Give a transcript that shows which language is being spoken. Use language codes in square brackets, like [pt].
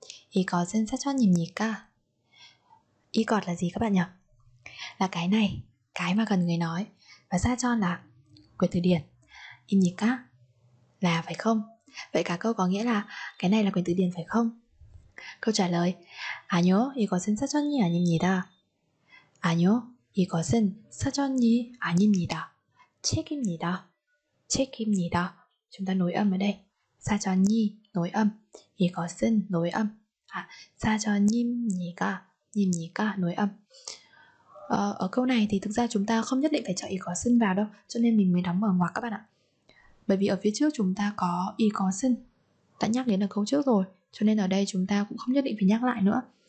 [ko] 이것은 사촌입니까? [vi] 이것 là gì các bạn nhỉ? Là cái này, cái mà cần người nói. Và 사촌 là quyển từ điển. 입니까? Là phải không? Vậy cả câu có nghĩa là cái này là quyển từ điển phải không? Câu trả lời: [ko] 아니요, 이것은 사촌이 아닙니다. 아니요, 이것은 사촌이 아닙니다. 책입니다. 책입니다. [vi] Chúng ta nối âm ở đây. 사촌이 nối âm, 이것은 nối âm. [ko] 아, 사촌입니까? 입니까? [vi] Nối âm. Ở câu này thì thực ra chúng ta không nhất định phải cho 이것은 vào đâu, cho nên mình mới đóng mở ngoặc các bạn ạ. Bởi vì ở phía trước chúng ta có 이것은 đã nhắc đến ở câu trước rồi, cho nên ở đây chúng ta cũng không nhất định phải nhắc lại nữa.